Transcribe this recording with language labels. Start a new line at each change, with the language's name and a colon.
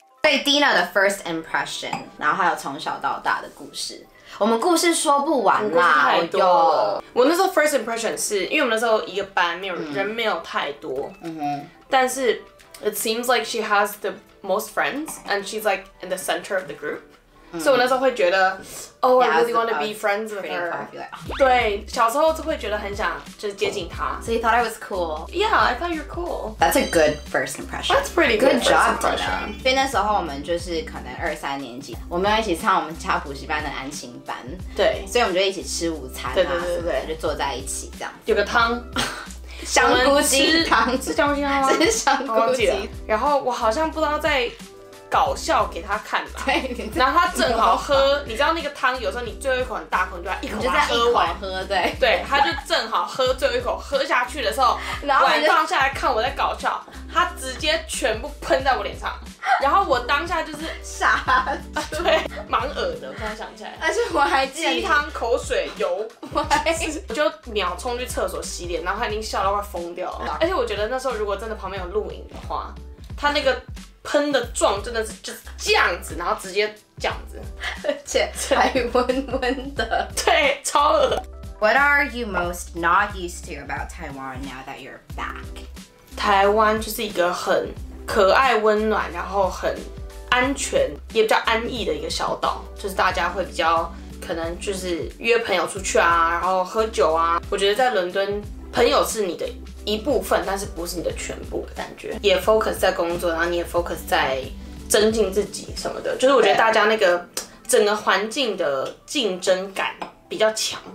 Chinese: 对 Dena 的 first impression 然后还有从小到大的故事我们故事说不完啦故事太多了 我那时候 first impression 是因为我们那时候一个班没有、mm. 人没有太多、 mm-hmm. 但是
English: It seems like she has the most friends, and she's like in the center of the group.、Mm-hmm.
Chinese: So 那时候会觉得 oh,
English: yeah, I really want to be friends with her.
Chinese: 对，小时候就会觉得很想就是接近她。
English: So you thought I was cool? Yeah, I thought you're cool. That's a good first impression. That's pretty good. Good job, Dena.
Chinese: 那时候我们就是可能二三年级，我们要一起上我们家补习班的安心班。对，所以我们就一起吃午餐啊，对对对对，就坐在一起这样。有个汤。香菇鸡汤是香菇鸡汤吗？是香菇鸡。然后我好像不知道在搞笑给他看吧。对。然后他正好喝，你知道那个汤有时候你最后一口很大口，你就要一口把它喝完。喝对。对，他就正好喝最后一口，喝下去的时候，然后我放下来看我在搞笑，他直接全部喷在我脸上。然后我当下就是傻住，对，蛮恶的。突然想起来，而且我还记得鸡汤、口水、油，我还就秒冲去厕所洗脸，然后他已经笑到快疯掉了。而且我觉得那时候如果真的旁边有录影的话，他那个喷的状真的是就是这样子，然后直接这样子，而且还温温的，对，超恶。
English: What are you most not used to about Taiwan now that you're back?
Chinese: 台湾就是一个很可爱、温暖，然后很安全，也比较安逸的一个小岛，就是大家会比较可能就是约朋友出去啊，然后喝酒啊。我觉得在伦敦，朋友是你的一部分，但是不是你的全部的感觉，也 focus 在工作，然后你也 focus 在增进自己什么的，就是我觉得大家那个整个环境的竞争感比较强。